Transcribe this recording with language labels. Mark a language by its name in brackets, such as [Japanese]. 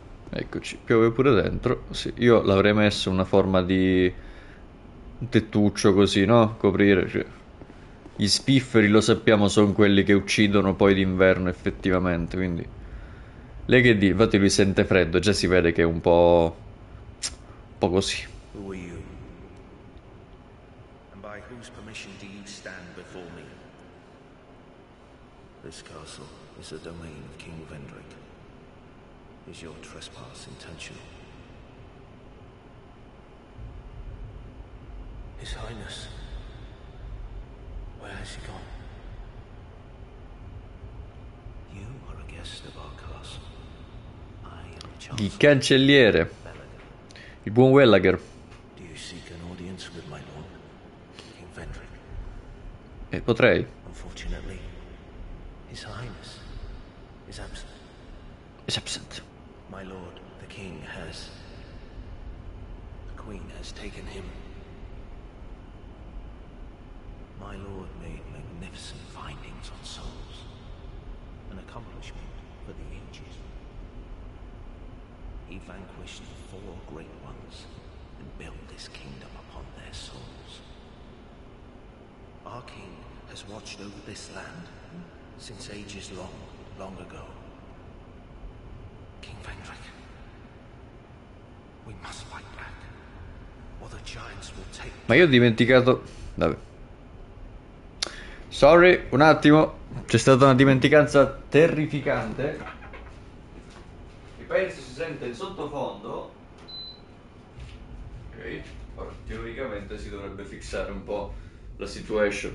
[Italian] Eccoci, piove pure dentro. Sì, io l'avrei messo una forma di tettuccio così, no? Coprire. Cioè, gli spifferi lo sappiamo, sono quelli che uccidono poi d'inverno, effettivamente. Quindi, lei che dice? Infatti, lui sente freddo, già si vede che è un po' così. [English] Who are you? And by whose permission do you stand before me? This castle is the domain of King Vendrick. Is your trespass intentional? His Highness, where has he gone? You are a guest of our castle. I am the [Italian] Il [English] Chancellor. [Italian] cancelliere, il buon Wellager. [English] Do you seek an audience with my lord, King Vendrick? [Italian] E potrei. [English] Unfortunately, His Highness is absent. Is absent. My lord, the king has. The queen has taken him. My lord made magnificent findings on souls. An accomplishment for the ages. He vanquished four great ones and built this kingdom upon their souls. Our king has watched over this land since ages long, long ago. King Vendrick, we must fight back, or the giants will take. [Italian] Ma io ho dimenticato. Vabbè. Sorry, un attimo, c'è stata una dimenticanza terrificante. Penso si sente in sottofondo. Ok, ora teoricamente si dovrebbe fissare un po' la situation.